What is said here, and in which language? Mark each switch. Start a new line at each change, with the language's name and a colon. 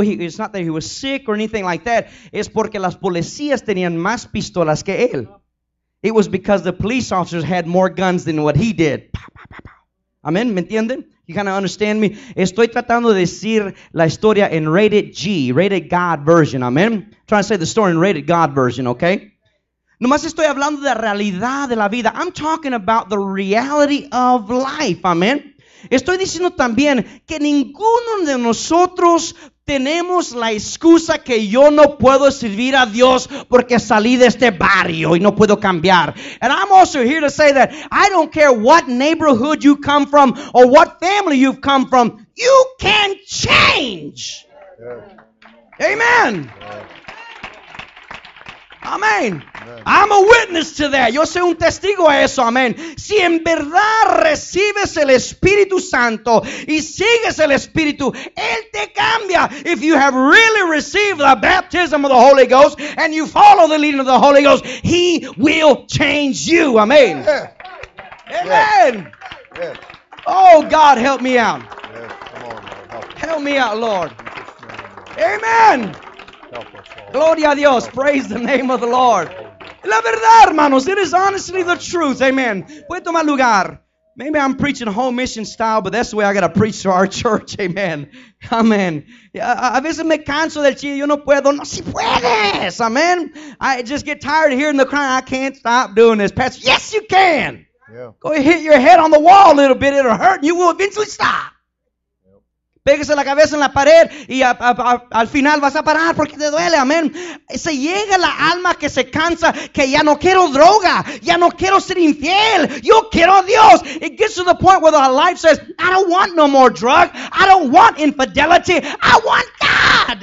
English: It's not that he was sick or anything like that.
Spanish: Es porque las policías tenían más pistolas que él.
English: It was because the police officers had more guns than what he did. Amen.
Spanish: ¿Me entienden?
English: You kind of understand me?
Spanish: Estoy tratando de decir la historia en
English: rated G, rated God version. Amen. Trying to say the story in rated God version, okay?
Spanish: Nomás estoy hablando de la realidad de la vida.
English: I'm talking about the reality of life.
Spanish: Amen. Estoy diciendo también que ninguno de nosotros tenemos la excusa que yo no puedo servir a Dios porque salí de este barrio y no puedo cambiar.
English: And I'm also here to say that I don't care what neighborhood you come from or what family you've come from, you can change. Yeah. Amen. Yeah. Amén. I'm a witness to that.
Spanish: Yo soy un testigo a eso. Amén. Si en verdad recibes el Espíritu Santo y sigues el Espíritu, Él te cambia.
English: If you have really received the baptism of the Holy Ghost and you follow the leading of the Holy Ghost, He will change you. Amén. Yeah. Amén. Yeah. Oh, God, help me out. Yeah. Come on, Lord. Help me out, Lord. Amén.
Spanish: Gloria a Dios.
English: Praise the name of the Lord.
Spanish: La verdad, hermanos.
English: It is honestly the truth. Amen.
Spanish: Puede tomar lugar.
English: Maybe I'm preaching home mission style, but that's the way I got to preach to our church. Amen. Amen.
Spanish: A veces me canso del chile. Yo no puedo. No, si puedes. Amen.
English: I just get tired of hearing the crying. I can't stop doing this. Pastor, yes, you can. Yeah. Go hit your head on the wall a little bit. It'll hurt. You will eventually stop.
Spanish: Pégase la cabeza en la pared y al final vas a parar porque te duele, amén. Se llega la alma que se cansa, que ya no quiero droga, ya no quiero ser infiel, yo quiero a Dios.
English: It gets to the point where the life says, I don't want no more drug, I don't want infidelity, I want God.